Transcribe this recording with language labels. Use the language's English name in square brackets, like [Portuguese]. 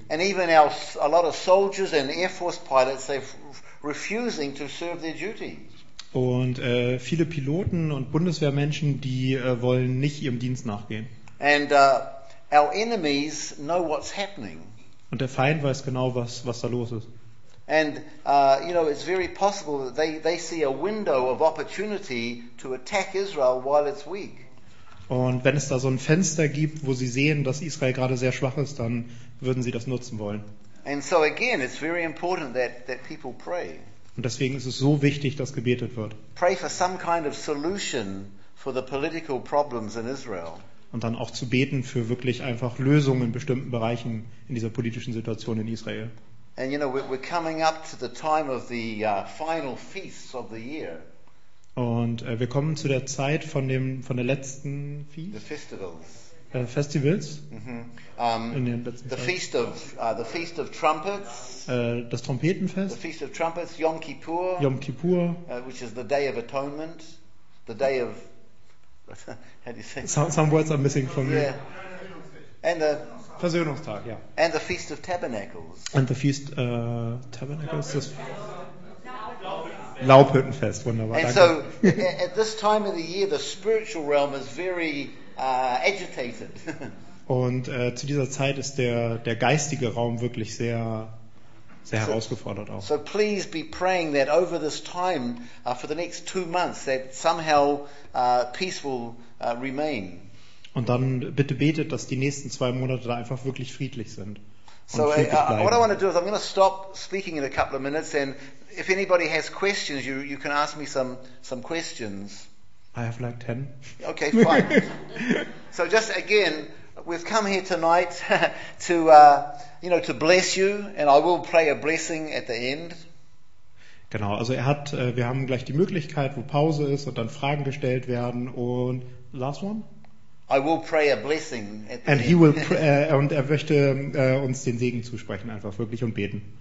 [English] And even a lot of soldiers and air force pilots, they're refusing to serve their duty. [German] Und viele Piloten und Bundeswehrmenschen, die wollen nicht ihrem Dienst nachgehen. [English] And our enemies know what's happening. [German] Und der Feind weiß genau, was da los ist. [English] And you know, it's very possible that they see a window of opportunity to attack Israel while it's weak. [German] Und wenn es da so ein Fenster gibt, wo sie sehen, dass Israel gerade sehr schwach ist, dann würden sie das nutzen wollen. [English] And so again, it's very important that people pray. [German] Und deswegen ist es so wichtig, dass gebetet wird. [English] Pray for some kind of solution for the political problems in Israel. [German] Und dann auch zu beten für wirklich einfach Lösungen in bestimmten Bereichen in dieser politischen Situation in Israel. [English] And you know, we're coming up to the time of the final feasts of the year. [German] Und wir kommen zu der Zeit von der letzten Festivals. [English] Mm-hmm. [German] In der letzten [English] the Feast of Trumpets. [German] Das Trompetenfest. [English] The Feast of Trumpets, Yom Kippur. Yom Kippur. Which is the Day of Atonement. The Day of. How do you say? Some words are missing from me. And the [German] Versöhnungstag, ja. [English] And the Feast of Tabernacles. And the Feast Tabernacles. [German] Das Laubhüttenfest, wunderbar. [English] And [German] danke. [English] So, at this time of the year, the spiritual realm is very agitated. [German] Und zu dieser Zeit ist der geistige Raum wirklich sehr, sehr so, herausgefordert auch. [English] So please be praying that over this time, for the next 2 months, that somehow peace will remain. [German] Und dann bitte betet, dass die nächsten 2 Monate da einfach wirklich friedlich sind. [English] So what I want to do is I'm going to stop speaking in a couple of minutes and if anybody has questions you can ask me some questions. I have like 10. Okay, fine. So just again, we've come here tonight to you know, to bless you and I will pray a blessing at the end. [German] Genau, also wir haben gleich die Möglichkeit, wo Pause ist und dann Fragen gestellt werden und [English] last one. I will pray a blessing at the and end. He will [German] und er möchte uns den Segen zusprechen einfach wirklich und beten.